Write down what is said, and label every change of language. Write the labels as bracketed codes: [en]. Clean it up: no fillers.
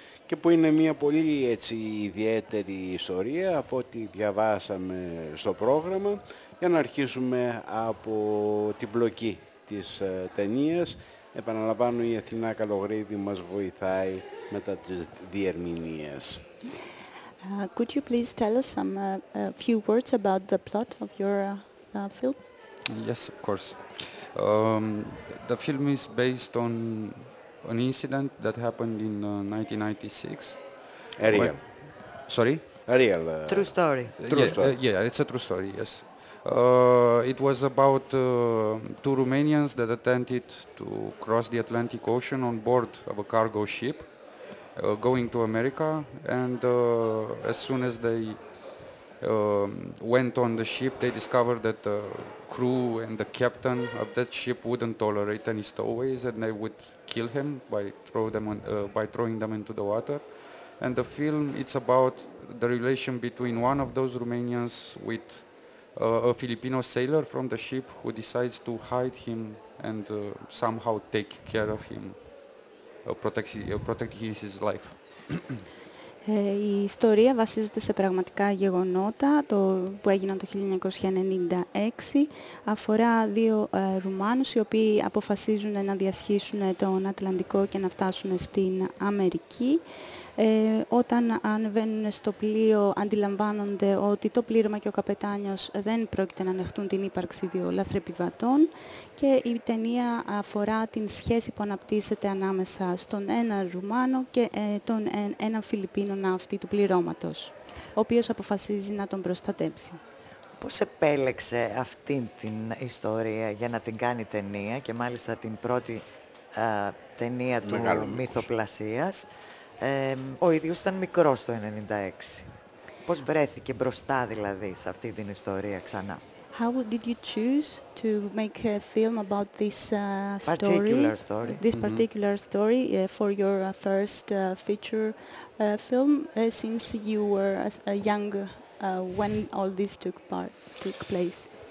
[el] Και που είναι μια πολύ έτσι ιδιαίτερη ιστορία από ό,τι διαβάσαμε στο πρόγραμμα. Για να αρχίσουμε από την πλοκή της ταινίας. Επαναλαμβάνω, η Αθηνά Καλογρίδη μας βοηθάει μετά τις διερμηνίες. [en] Could you please tell us some few words about the plot of your film? Yes, of course. The film is based on an incident that happened in 1996. Real. Real. True story. It's a true story, yes. It was about two Romanians that attempted to cross the Atlantic Ocean on board of a cargo ship going to America, and as soon as they went on the ship, they discovered that the crew and the captain of that ship wouldn't tolerate any stowaways, and they would kill him by throwing them into the water. And the film, it's about the relation between one of those Romanians with a Filipino sailor from the ship who decides to hide him and somehow take care of him. Protect his life. [el] Η ιστορία βασίζεται σε πραγματικά γεγονότα που έγιναν το 1996. Αφορά δύο Ρουμάνους οι οποίοι αποφασίζουν να διασχίσουν τον Ατλαντικό και να φτάσουν στην Αμερική. Όταν ανεβαίνουν στο πλοίο, αντιλαμβάνονται ότι το πλήρωμα και ο καπετάνιος δεν πρόκειται να ανεχτούν την ύπαρξη δύο λαθρεπιβατών. Και η ταινία αφορά την σχέση που αναπτύσσεται ανάμεσα στον ένα Ρουμάνο και τον ένα Φιλιππίνο ναύτη του πληρώματος, ο οποίος αποφασίζει να τον προστατέψει. Πώς επέλεξε αυτή την ιστορία για να την κάνει ταινία και μάλιστα την πρώτη ταινία του μυθοπλασίας? Ο ίδιος ήταν μικρός το 96. Πώς βρέθηκε μπροστά, δηλαδή, σε αυτή την ιστορία ξανά? [en] How did you choose to make a film about this particular story? This particular story for your first feature film, since you were young when all this took place?